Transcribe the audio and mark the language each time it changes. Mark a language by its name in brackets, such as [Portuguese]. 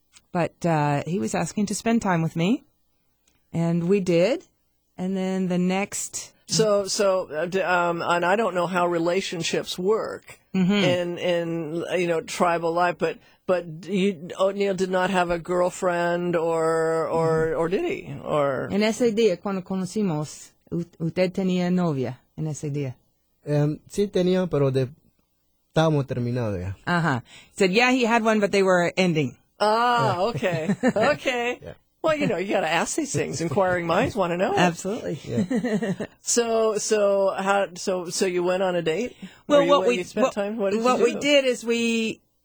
[English] But he was asking to spend time with me, and we did. And then the next... And I don't know how relationships work. Mm-hmm. In you know, tribal life, but you, O'Neill did not have a girlfriend or did he? Or [Spanish] en ese día cuando conocimos, usted tenía novia en ese día. Sí tenía, pero estábamos terminados ya. [English] Uh-huh. Said yeah, he had one, but they were ending. Ah, okay, okay. Yeah. Well, you know, you got to ask these things. Inquiring minds want to know. Absolutely. Yeah. So you went on a date? Well, what we did is we